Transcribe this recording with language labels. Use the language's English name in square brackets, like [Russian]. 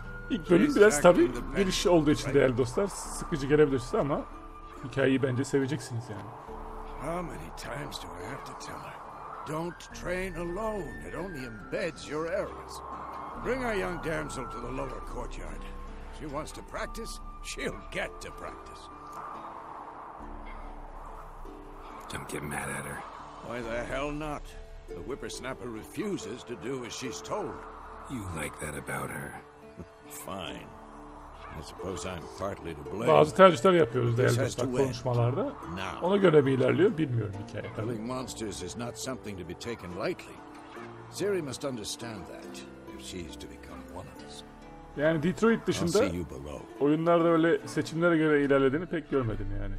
[Turkish] İlk bölüm biraz tabii giriş olduğu için değerli dostlar sıkıcı gelebilir size ama hikayeyi bence seveceksiniz yani. [English] How many times do I have to tell her? Don't train alone. It only embeds your errors. Bring our young damsel to the lower courtyard. She wants to practice. She'll get to practice. Don't get mad at her. Why the hell not? The whippersnapper refuses to do as she's told. You like that about her? Fine. I suppose I'm partly to blame. [Turkish] Bazı tercihler yapıyoruz değerli dostlar konuşmalarda. Ona göre mi ilerliyor bilmiyorum hikaye. [English] Killing monsters is not something to be taken lightly. Ciri must understand that. she's to become one of us. [Turkish] Yani Detroit dışında oyunlarda böyle seçimlere göre ilerlediğini pek görmedim yani.